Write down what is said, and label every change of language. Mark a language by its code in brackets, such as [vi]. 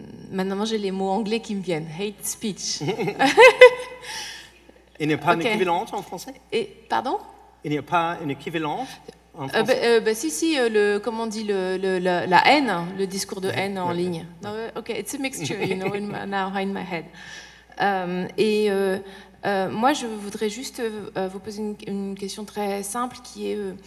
[fr] maintenant, j'ai les mots anglais qui me viennent. [en] Hate speech. [fr] Il n'y a pas d'équivalent en français? Et, pardon? Il n'y a pas un équivalent en français? La haine, hein, le discours de haine en ligne. [en] No, OK, it's a mixture, you know, in my head. [fr] Moi, je voudrais juste vous poser une question très simple qui est...